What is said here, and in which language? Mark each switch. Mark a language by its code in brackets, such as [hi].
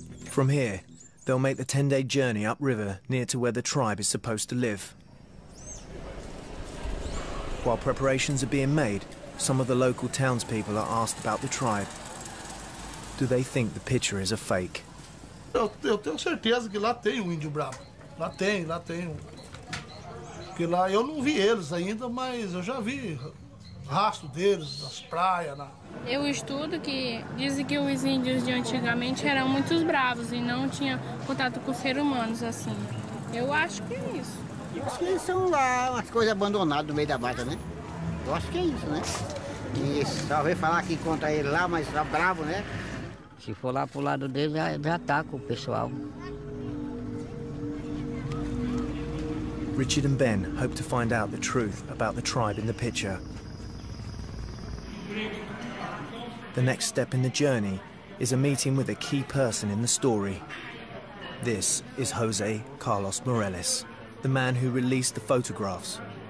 [en] From here, they'll make the 10-day journey upriver near to where the tribe is supposed to live. While preparations are being made, some of the local townspeople are asked about the tribe. Do they think the picture is a fake? [pt] Eu tenho certeza que lá tem um índio brabo. Lá tem. Porque lá eu não vi eles ainda, mas eu já vi rastro deles nas praias. Na... Eu estudo que dizem que os índios de antigamente eram muito bravos e não tinham contato com seres humanos assim. Eu acho que é isso. Eu acho que eles são lá umas coisas abandonadas no meio da mata, né? Eu acho que é isso, né? E só vem falar que encontra ele lá, mas tá bravo, né? Se for lá pro lado dele, já ataca o pessoal. [en] Richard and Ben hope to find out the truth about the tribe in the picture. The next step in the journey is a meeting with a key person in the story. This is Jose Carlos Morales, the man who released the photographs.